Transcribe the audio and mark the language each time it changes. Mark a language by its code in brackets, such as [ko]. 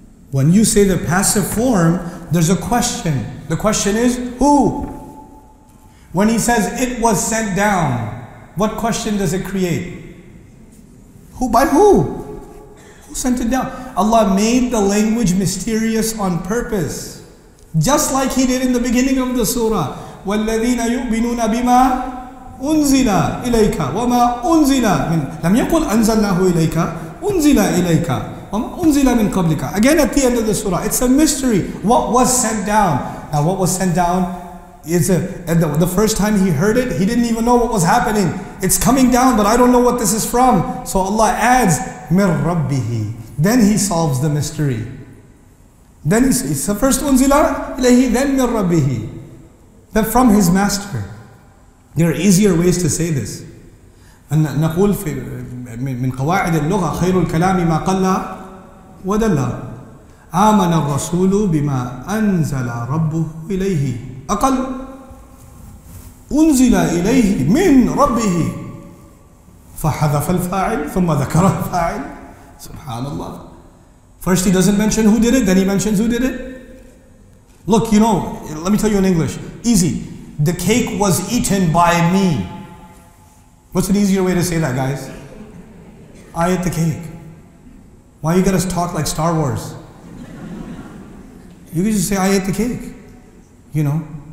[en] When you say the passive form, there's a question. The question is, who? When he says, it was sent down, what question does it create? Who? By who? Who sent it down? Allah made the language mysterious on purpose. Just like he did in the beginning of the surah. [ar] وَالَّذِينَ يُؤْمِنُونَ بِمَا أُنزِلَ إِلَيْكَ وَمَا أُنزِلَ مِنْ لَمْ يَقُلْ أَنزَلْنَاهُ إِلَيْكَ أُنزِلَ إِلَيْكَ وَمَا أُنزِلَ مِنْ قَبْلِكَ [en] Again at the end of the surah. It's a mystery. What was sent down? Now what was sent down is the first time he heard it, he didn't even know what was happening. It's coming down, but I don't know what this is from. So Allah adds, [ar] مِنْ رَبِّهِ [en] Then he solves the mystery. Then it's the first [ar] unzila ilayhi, [en] then [ar] mir rabbihi. [en] Then from his master. There are easier ways to say this. [ar] And نقول في من قواعد اللغة خير الكلام ما قل ودل آمن الرسول بما أنزل ربه إليه أقل أنزل إليه من ربه فحذف الفاعل ثم ذكر الفاعل سبحان الله. [en] First he doesn't mention who did it, then he mentions who did it. Look, you know, let me tell you in English. Easy. The cake was eaten by me. What's an easier way to say that, guys? I ate the cake. Why you gotta talk like Star Wars? You can just say, I ate the cake. You know?